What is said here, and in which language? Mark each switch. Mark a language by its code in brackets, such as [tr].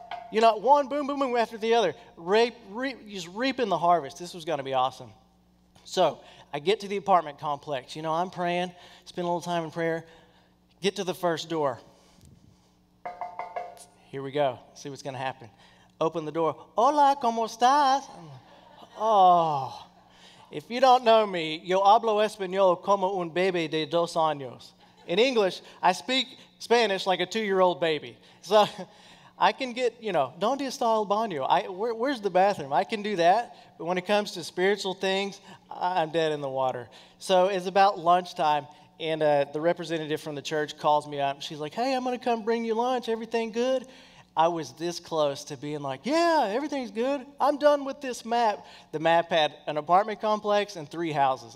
[en] You know, one boom, boom, boom after the other. Just reaping the harvest. This was going to be awesome. So I get to the apartment complex. You know, I'm praying, spend a little time in prayer. Get to the first door. Here we go. See what's going to happen. Open the door. [es] Hola, ¿cómo estás? [en] Oh, if you don't know me, [es] yo hablo español como un bebé de dos años. [en] In English, I speak Spanish like a two-year-old baby. So I can get, you know, [es] ¿dónde está el baño? [en] Where's the bathroom? I can do that. But when it comes to spiritual things, I'm dead in the water. So it's about lunchtime, and the representative from the church calls me up. She's like, hey, I'm going to come bring you lunch. Everything good? I was this close to being like, yeah, everything's good. I'm done with this map. The map had an apartment complex and three houses.